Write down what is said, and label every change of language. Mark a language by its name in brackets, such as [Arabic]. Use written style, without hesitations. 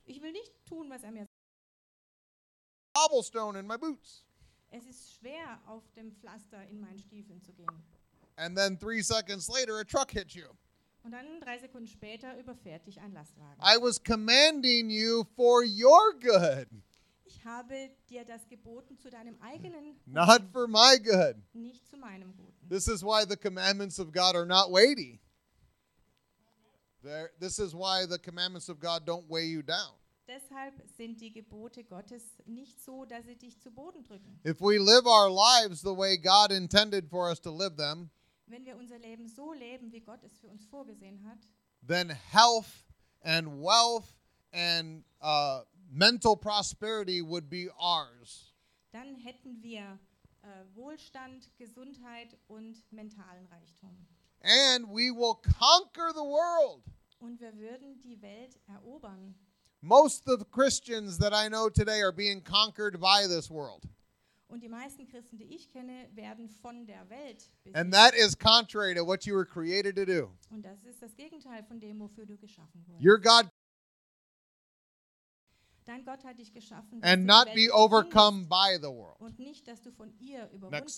[German] Ich will nicht tun, was er mir sagt. [English] Cobblestone in my boots. [German] Es ist schwer, auf dem Pflaster in meinen Stiefeln zu gehen. [English] And then 3 seconds later, a truck hits you. [German] Und dann 3 Sekunden später überfährt dich ein Lastwagen. [English] I was commanding you for your good. [German] Ich habe dir das geboten zu deinem eigenen. [English] Not for my good. [German] Nicht zu meinem Guten. [English] This is why the commandments of God are not weighty. This is why the commandments of God don't weigh you down. [German] Deshalb sind die Gebote Gottes nicht so, dass sie dich zu Boden drücken. [English] If we live our lives the way God intended for us to live them, [German] wenn wir unser Leben so leben, wie Gott es für uns vorgesehen hat, [English] then health and wealth and mental prosperity would be ours. [German] Dann hätten wir Wohlstand, Gesundheit und mentalen Reichtum. [English] And we will conquer the world. [German] Und wir würden die Welt erobern. [English] Most of the Christians that I know today are being conquered by this world. [German] Und die meisten Christen, die ich kenne, werden von der Welt besiegt. [English] And that is contrary to what you were created to do. [German] Und das ist das Gegenteil von dem, wofür du geschaffen wurdest. [English] Your God. [German] Dein Gott hat dich geschaffen. [English] And not be overcome by the world. [German] Und nicht, dass du von ihr überwunden wirst.